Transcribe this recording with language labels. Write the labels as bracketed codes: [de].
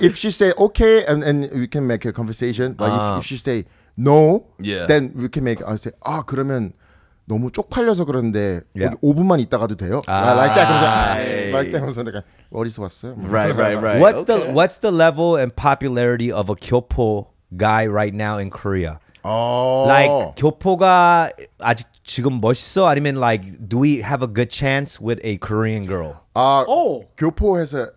[en] If she say okay, and we can make a conversation. But if she say no, then we can make. I say [ko] 아 그러면. 너무 쪽팔려서 그런데 여기 5분만 있다가도 돼요? 아, [en] like that. [ko] 그래서 like that 하면서 내가 어디서 왔어요? [en] Right, right, right. What's the level and popularity of a 교포 guy right now in Korea? Oh. Like [ko] 교포가 아직 지금 멋있어? 아니면 [en] like do we have a good chance with a Korean girl? [ko] 아, 교포에서